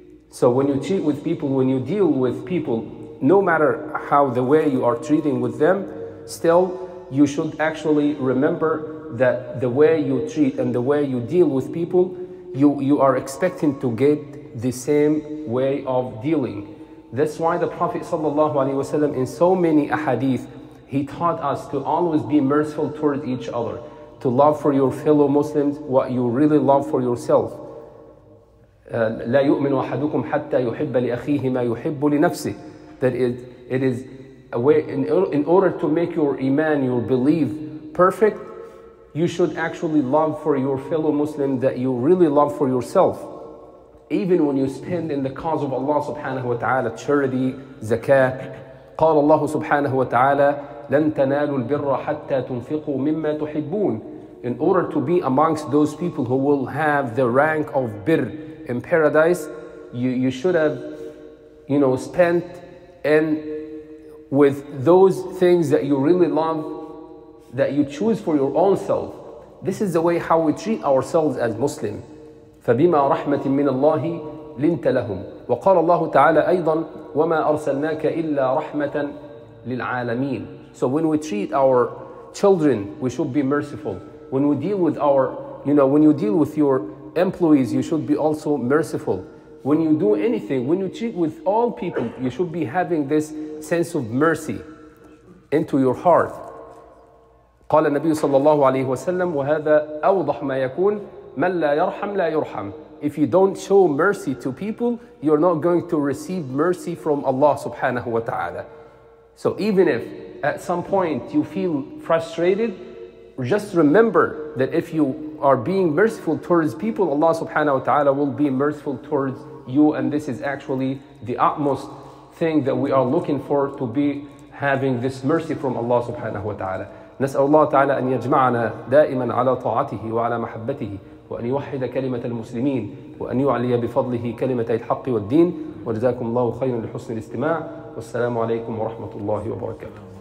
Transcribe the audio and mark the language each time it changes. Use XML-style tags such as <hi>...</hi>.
<en>So when you treat with people, when you deal with people, no matter how the way you are treating with them, still, you should actually remember that the way you treat and the way you deal with people, you are expecting to get the same way of dealing. That's why the Prophet sallallahu alaihi wasallam, in so many ahadith, he taught us to always be merciful towards each other, to love for your fellow Muslims what you really love for yourself.</en> <ar>لا يؤمن أحدكم حتى يحب لأخيه ما يحب لنفسه.</ar> <en>That it is a way, in order to make your iman, your belief perfect, you should actually love for your fellow Muslim that you really love for yourself. Even when you spend in the cause of Allah subhanahu wa ta'ala, charity, zakah.</en> <ar>قال الله سبحانه وتعالى لن تنالوا البر حتى تنفقوا مما تحبون.</ar> <en>In order to be amongst those people who will have the rank of birr in paradise, you should have, you know, spent in with those things that you really love, that you choose for your own self. This is the way how we treat ourselves as Muslim.</en> <ar>فَبِمَا رَحْمَةٍ مِّنَ اللَّهِ لِنْتَ لَهُمْ وَقَالَ اللَّهُ تَعَالَى أَيْضًا وَمَا أَرْسَلْنَاكَ إِلَّا رَحْمَةً لِلْعَالَمِينَ.</ar> <en>So when we treat our children, we should be merciful. When we deal with our, you know, when you deal with your employees, you should be also merciful. When you do anything, when you treat with all people, you should be having this sense of mercy into your heart.</en> <ar>قال النبي صلى الله عليه وسلم وهذا أوضح ما يكون من لا يرحم لا يرحم.</ar> <en>If you don't show mercy to people, you're not going to receive mercy from Allah subhanahu wa ta'ala. So even if at some point you feel frustrated, just remember that if you are being merciful towards people, Allah subhanahu wa ta'ala will be merciful towards you. And this is actually the utmost thing that we are looking for, to be having this mercy from Allah subhanahu wa ta'ala.</en> <ar>نسأل الله تعالى أن يجمعنا دائما على طاعته وعلى محبته وأن يوحد كلمة المسلمين وأن يعلي بفضله كلمة الحق والدين. وجزاكم الله خيرا لحسن الاستماع والسلام عليكم ورحمة الله وبركاته.</ar>